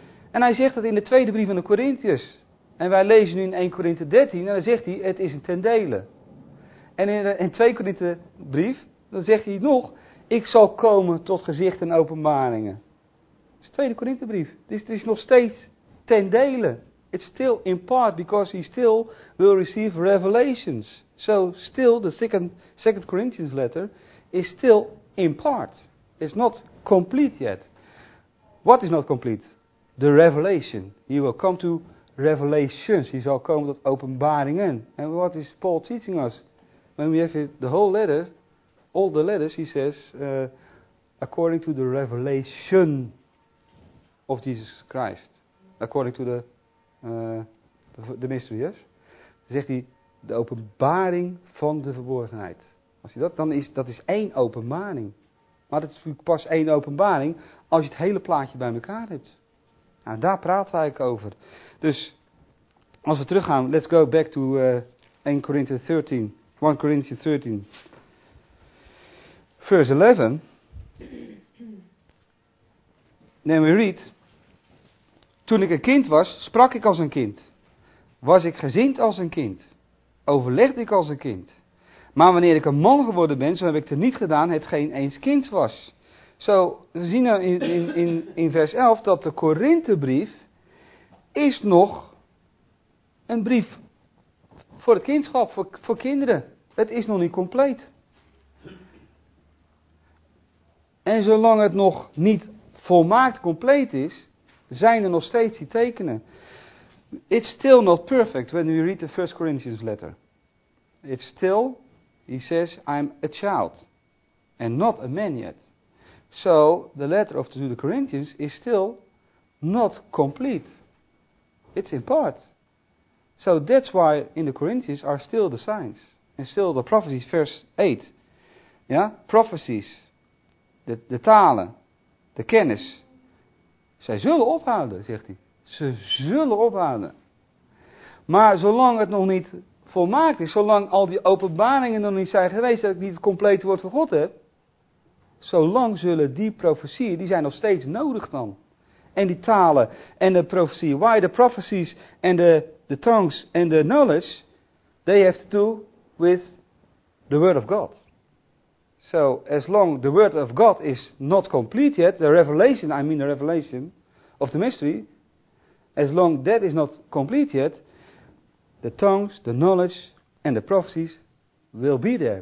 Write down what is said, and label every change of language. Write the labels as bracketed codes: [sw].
[nl] En hij zegt dat in de tweede brief aan de Korintiërs. En wij lezen nu in 1 Korinthe 13, en dan zegt hij, het is een ten dele. En in de 2 Korinthe brief, dan zegt hij nog, ik zal komen tot gezicht en openbaringen. Dat is de 2 Korinthe brief. Dus het is nog steeds ten dele. [en] It's still in part, because he still will receive revelations. So still, the second Corinthians letter is still in part. It's not complete yet. What is not complete? The revelation. He will come to revelations. [nl] He zal komen tot openbaringen. [en] And what is Paul teaching us? When we have the whole letter, all the letters, he says, according to the revelation of Jesus Christ. According to the mystery, yes? [nl] Zegt hij, de openbaring van de verborgenheid. Als je dat, dan is dat is één openbaring. Maar dat is natuurlijk pas één openbaring als je het hele plaatje bij elkaar hebt. Nou, daar praten wij over. Dus als we teruggaan, [en] let's go back to 1 Corinthians 13. 1 Corinthians 13. Verse 11. Then we read. [nl] Toen ik een kind was, sprak ik als een kind. Was ik gezind als een kind. Overlegde ik als een kind. Maar wanneer ik een man geworden ben, zo heb ik teniet gedaan hetgeen eens kind was. Zo, we zien in vers 11 dat de Korinthebrief is nog een brief voor het kindschap, voor kinderen. Het is nog niet compleet. En zolang het nog niet volmaakt compleet is, zijn er nog steeds die tekenen. [en] It's still not perfect when we read the First Corinthians letter. It's still, he says, I'm a child and not a man yet. So, the letter of the Corinthians is still not complete. It's in part. So, that's why in the Corinthians are still the signs. And still the prophecies, verse 8. Yeah? Prophecies, [nl] de talen, de kennis. Zij zullen ophouden, zegt hij. Ze zullen ophouden. Maar zolang het nog niet volmaakt is, zolang al die openbaringen nog niet zijn geweest, dat ik niet het complete woord van God heb, zolang zullen die profetieën, die zijn nog steeds nodig dan. En die talen en de profetieën. [en] Why the prophecies and the tongues and the knowledge, they have to do with the word of God. So as long the word of God is not complete yet, the revelation, I mean the revelation of the mystery, as long that is not complete yet, the tongues, the knowledge and the prophecies will be there.